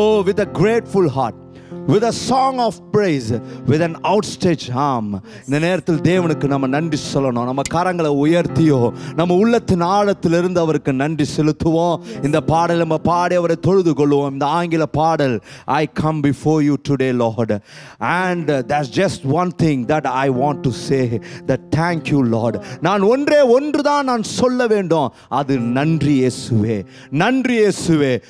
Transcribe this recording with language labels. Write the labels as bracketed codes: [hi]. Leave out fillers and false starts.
[en] With a grateful heart, with a song of praise, with an outstretched arm, [ta] நேர்த்தில் தேவனுக்கு நம்ம நன்றி சொல்லணும். நம்ம கரங்களை உயர்த்தியோ நம்ம உள்ளத்தின் ஆழத்திலிருந்து அவருக்கு நன்றி செலுத்துவோம். இந்த பாடலை நம்ம பாடி அவரை தொழுது கொள்வோம். இந்த ஆங்கில பாடல், [en] I come before you today, Lord, and there's just one thing that I want to say, that thank you, Lord. [ta] நான் ஒன்றே ஒன்றுதான் நான் சொல்ல வேண்டும், அது நன்றி இயேசுவே, நன்றி இயேசுவே.